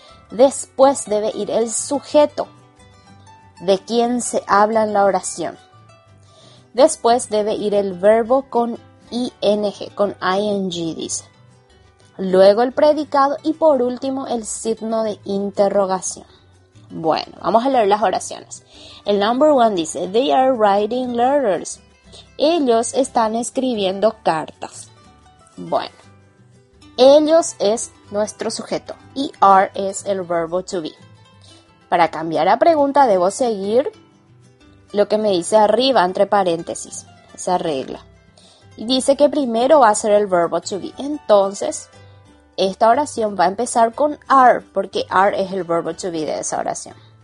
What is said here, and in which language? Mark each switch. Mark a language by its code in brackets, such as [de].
[es] Después debe ir el sujeto de quien se habla en la oración. Después debe ir el verbo con ing, con ing, dice. Luego el predicado y por último el signo de interrogación. Bueno, vamos a leer las oraciones. [en] El number one dice, they are writing letters. [es] Ellos están escribiendo cartas. Bueno, ellos es nuestro sujeto y are es el verbo to be. Para cambiar a pregunta debo seguir lo que me dice arriba entre paréntesis, esa regla. Y dice que primero va a ser el verbo to be. Entonces, esta oración va a empezar con are porque are es el verbo to be de esa oración.